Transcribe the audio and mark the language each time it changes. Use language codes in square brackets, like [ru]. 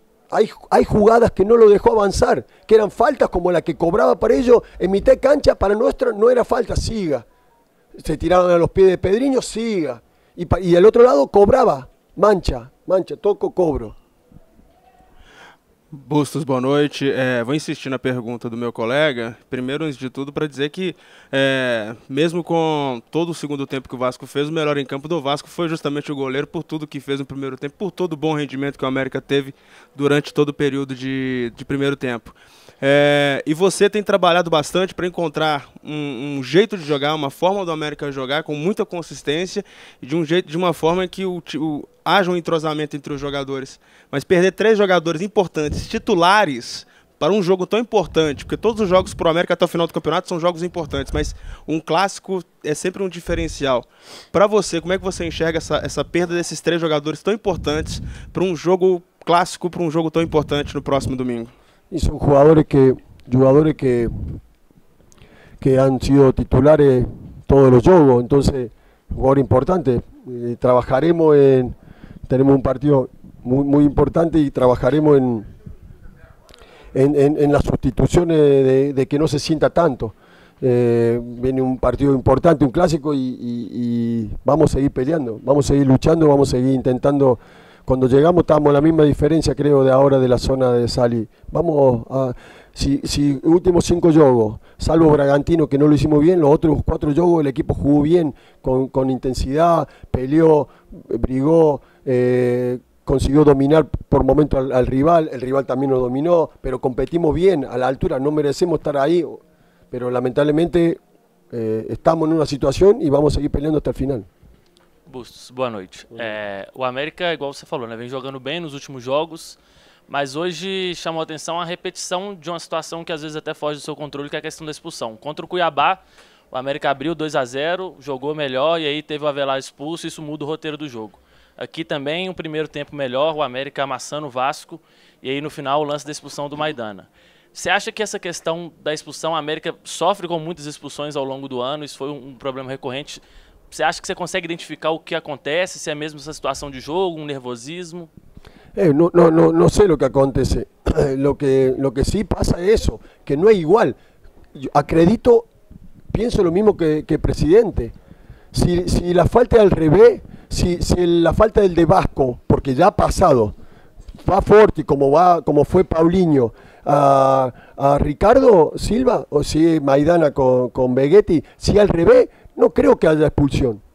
[es] hay jugadas que no lo dejó avanzar, que eran faltas como la que cobraba para ellos en mitad de cancha, para nuestro no era falta, siga, se tiraban a los pies de Pedriño, siga, y del otro lado cobraba, mancha, toco, cobro. [pt] Bustos, boa noite. Vou insistir na pergunta do meu colega. Primeiro, antes de tudo, para dizer que, mesmo com todo o segundo tempo que o Vasco fez, o melhor em campo do Vasco foi justamente o goleiro, por tudo que fez no primeiro tempo, por todo o bom rendimento que o América teve durante todo o período de primeiro tempo. E você tem trabalhado bastante para encontrar um jeito de jogar, uma forma do América jogar com muita consistência e de uma forma que haja um entrosamento entre os jogadores. Mas perder três jogadores importantes, titulares, para um jogo tão importante, porque todos os jogos para o América até o final do campeonato são jogos importantes, mas um clássico é sempre um diferencial. Para você, como é que você enxerga essa perda desses três jogadores tão importantes para um jogo clássico, para um jogo tão importante no próximo domingo? São jogadores que [es] han sido titulares todos los juegos, entonces jugador importante. Trabajaremos en, tenemos un partido muy, muy importante y trabajaremos en las sustituciones de que no se sienta tanto. Viene un partido importante, un clásico y vamos a seguir peleando, vamos a seguir luchando, vamos a seguir intentando. Cuando llegamos estábamos a la misma diferencia, creo, de ahora de la zona de Sali. Vamos a... Si últimos cinco juegos, salvo Bragantino, que no lo hicimos bien, los otros cuatro juegos el equipo jugó bien, con intensidad, peleó, brigó, consiguió dominar por momento al rival. El rival también nos dominó, pero competimos bien, a la altura, no merecemos estar ahí. Pero lamentablemente estamos en una situación y vamos a seguir peleando hasta el final. [pt] Bustos, boa noite. O América, igual você falou, né, vem jogando bem nos últimos jogos, mas hoje chamou a atenção a repetição de uma situação que às vezes até foge do seu controle, que é a questão da expulsão. Contra o Cuiabá, o América abriu 2-0, jogou melhor e aí teve o Avelar expulso, e isso muda o roteiro do jogo. Aqui também, um primeiro tempo melhor, o América amassando o Vasco, e aí no final o lance da expulsão do Maidana. Você acha que essa questão da expulsão, a América sofre com muitas expulsões ao longo do ano, isso foi um problema recorrente. Você acha que você consegue identificar o que acontece, se é mesmo essa situação de jogo, um nervosismo? [es] No sé lo que acontece. Lo que sí pasa es eso, que no es igual. Yo acredito, pienso lo mismo que presidente. Si la falta es al revés, si la falta del de Vasco, porque ya ha pasado, va fuerte como fue Paulinho, a Ricardo Silva, o si Maidana con Beghetti, si al revés, no creo que haya expulsión.